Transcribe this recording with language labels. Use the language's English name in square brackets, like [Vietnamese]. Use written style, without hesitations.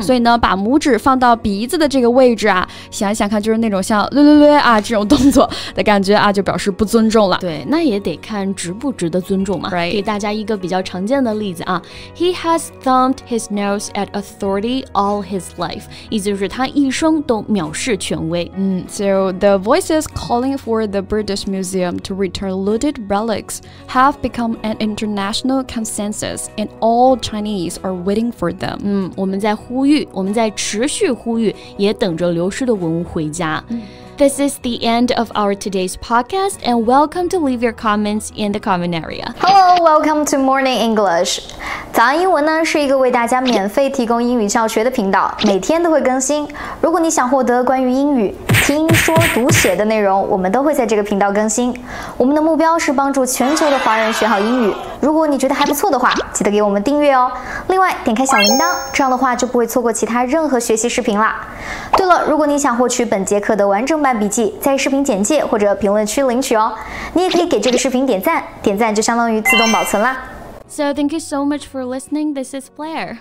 [Chinese] 所以呢把拇指放到鼻子的这个位置啊，想想看就是那种像略略略啊这种动作的感觉啊，就表示不尊重了。对，那也得看值不值得尊重嘛、 [English] right. [Chinese] 给大家一个比较常见的例子啊， [English] He has thumbed his nose at authority all his life. [Chinese] 意思就是他一生都藐视权威。 [English] 嗯， So the voices calling for the British Museum to return looted relics have become an international consensus and all Chinese are waiting for them. [Chinese] 嗯，我们在呼吁，我们在持续呼吁，也等着流失的文物回家。嗯。 [English] This is the end of our today's podcast and welcome to leave your comments in the comment area. Hello, welcome to Morning English. [Chinese] 早安英文呢是一个为大家免费提供英语教学的频道，每天都会更新。如果你想获得关于英语听说读写的内容，我们都会在这个频道更新。我们的目标是帮助全球的华人学好英语。如果你觉得还不错的话，记得给我们订阅哦。另外，点开小铃铛，这样的话就不会错过其他任何学习视频啦。对了，如果你想获取本节课的完整版笔记，在视频简介或者评论区领取哦。你也可以给这个视频点赞，点赞就相当于自动保存啦。 [English] So thank you so much for listening. This is Blair.